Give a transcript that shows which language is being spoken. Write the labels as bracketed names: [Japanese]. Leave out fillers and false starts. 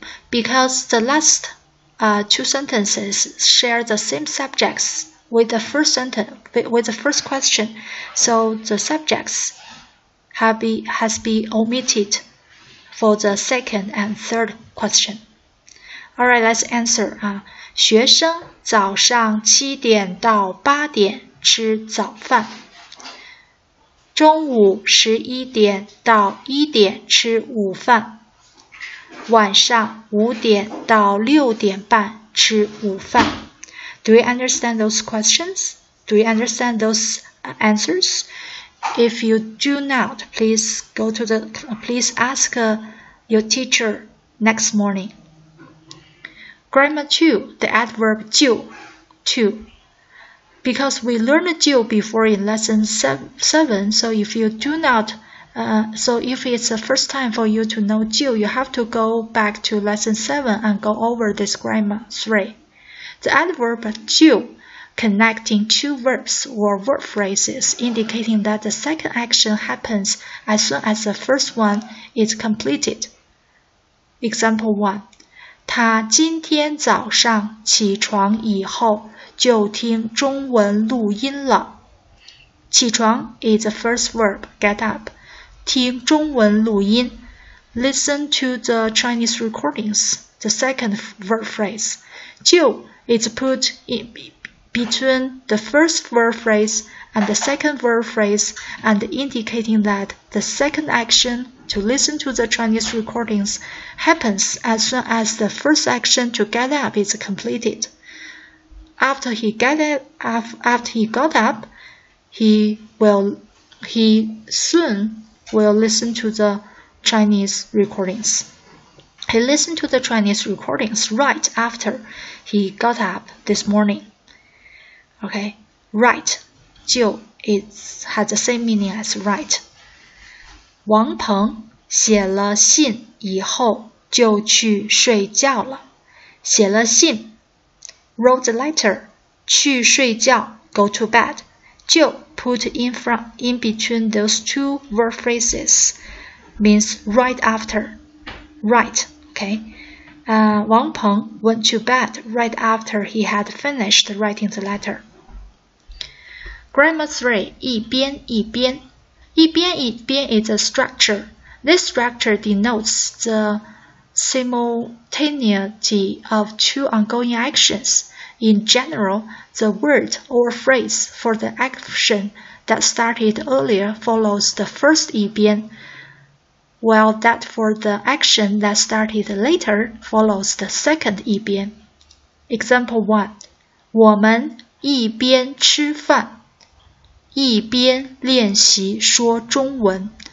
[English] Because the last two sentences share the same subjects with the first question, so the subjects has been omitted for the second and third question. Alright, let's answer. [Chinese] 学生早上七点到八点吃早饭。中午十一点到一点吃午饭，晚上五点到六点半吃午饭。 [English] Do you understand those questions? Do you understand those answers? If you do not, please go to the, please ask your teacher next morning. Grammar 2, the adverb 就。 2. Because we learned due before in lesson 7, so if you do not, so if it's the first time for you to know due, you have to go back to lesson 7 and go over this grammar 3. The adverb due, connecting two verbs or verb phrases, indicating that the second action happens as soon as the first one is completed. Example 1. [Chinese] 他今天早上起床以后就听中文录音了。 [English] 起床 is the first verb, get up. [Chinese] 听中文录音。 [English] Listen to the Chinese recordings, the second verb phrase. 就 is put in between the first verb phrase and the second verb phrase and indicating that the second action to listen to the Chinese recordings happens as soon as the first action to get up is completed. After he got up, he soon will listen to the Chinese recordings. He listened to the Chinese recordings right after he got up this morning. Okay, right, 就 has the same meaning as right. [Chinese] 王鹏写了信以后就去睡觉了。写了信 [English] wrote the letter, [Chinese] 去睡觉 [English] go to bed. 就 put in between those two verb phrases means right after, right, okay. Wang Peng went to bed right after he had finished writing the letter. Grammar 3, 一边一边。一边一边 is a structure. This structure denotes the simultaneity of two ongoing actions. In general, the word or phrase for the action that started earlier follows the first 一边。 While that for the action that started later follows the second 一边。 Example 1. [Chinese] 我们一边吃饭一边练习说中文。